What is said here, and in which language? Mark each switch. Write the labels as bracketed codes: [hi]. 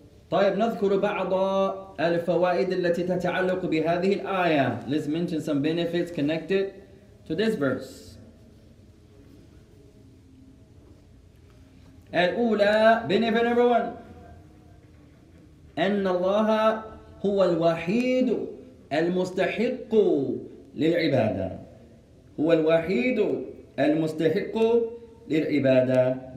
[ar] طيب نذكر بعض الفوائد التي تتعلق بهذه الآية. [en] Let's mention some benefits connected to this verse. [ar] الأولى, [en] benefit number one, [ar] أن الله هو الوحيد المستحق للعبادة. هو الوحيد المستحق للعبادة.